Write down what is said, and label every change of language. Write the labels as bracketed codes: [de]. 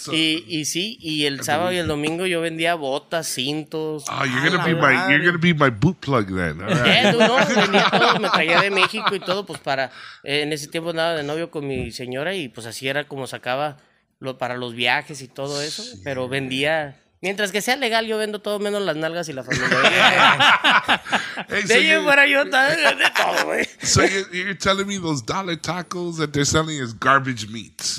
[es] Y el sábado y el domingo yo vendía botas, cintos. [en] Oh, you're gonna be my boot plug then. [es] Vendía todo, me traía de México y todo, pues para... en ese tiempo andaba de novio con mi señora y pues así era como sacaba para los viajes y todo eso. Sí. Pero vendía... Mientras que sea legal, yo vendo todo menos las nalgas y la familia. Hey, [en] So you're telling me those dollar tacos that they're selling is garbage meat.